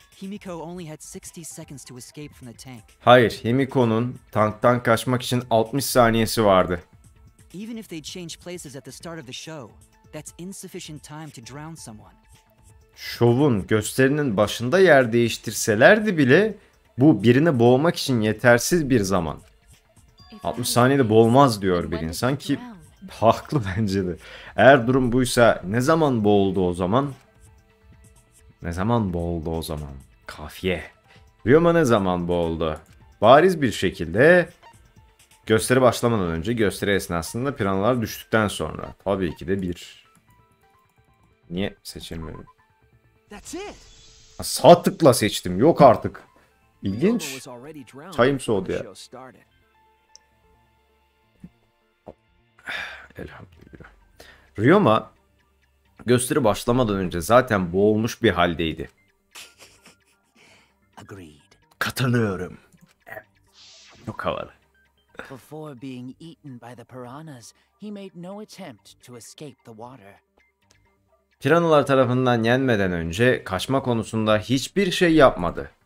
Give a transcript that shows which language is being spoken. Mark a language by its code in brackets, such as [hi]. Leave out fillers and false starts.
[en] Himiko only had 60 seconds to escape from the tank. [tr] Hayır, Himiko'nun tanktan kaçmak için 60 saniyesi vardı. [en] Even if they changed places at the start of the show, that's insufficient time to drown someone. [tr] Şovun, gösterinin başında yer değiştirselerdi bile bu birini boğmak için yetersiz bir zaman. 60 saniyede boğulmaz diyor bir insan ki haklı bence de. Eğer durum buysa ne zaman boğuldu o zaman? Ne zaman boğuldu o zaman? Kafiye. Ryoma ne zaman boğuldu? Bariz bir şekilde gösteri başlamadan önce, gösteri esnasında piranalar düştükten sonra. Tabii ki de bir. Niye seçilmedi? Sağ tıkla seçtim. Yok artık. İlginç. Time soğudu ya. Elhamdülillah. Ryoma gösteri başlamadan önce zaten boğulmuş bir haldeydi. Agreed. Katılıyorum. Evet. Çok havalı. [en] Before being eaten by the piranhas, he made no attempt to escape the water. [tr] Piranalar tarafından yenmeden önce kaçma konusunda hiçbir şey yapmadı.